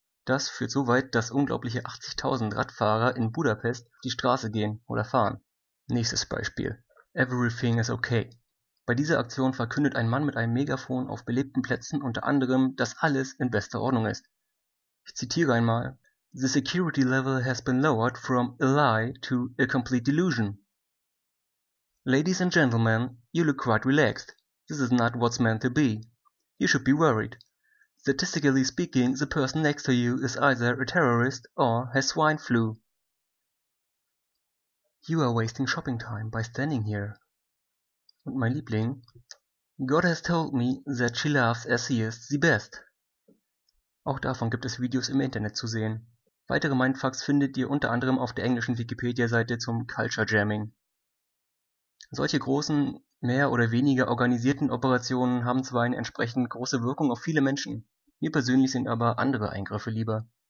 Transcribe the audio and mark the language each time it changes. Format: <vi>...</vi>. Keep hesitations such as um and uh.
<de>Das führt so weit, dass unglaubliche 80.000 Radfahrer in Budapest auf die Straße gehen oder fahren. Nächstes Beispiel.</de> <en>Everything is okay.</en> <de>Bei dieser Aktion verkündet ein Mann mit einem Megafon auf belebten Plätzen unter anderem, dass alles in bester Ordnung ist. Ich zitiere einmal.</de> <en>The security level has been lowered from a lie to a complete delusion. Ladies and gentlemen, you look quite relaxed. This is not what's meant to be. You should be worried. Statistically speaking, the person next to you is either a terrorist or has swine flu. You are wasting shopping time by standing here.</en> <de>Und mein Liebling,</de> <en>God has told me that she loves atheists the best.</en> <de>Auch davon gibt es Videos im Internet zu sehen. Weitere Mindfucks findet ihr unter anderem auf der englischen Wikipedia-Seite zum Culture Jamming. Solche großen, mehr oder weniger organisierten Operationen haben zwar eine entsprechend große Wirkung auf viele Menschen, mir persönlich sind aber andere Eingriffe lieber.</de>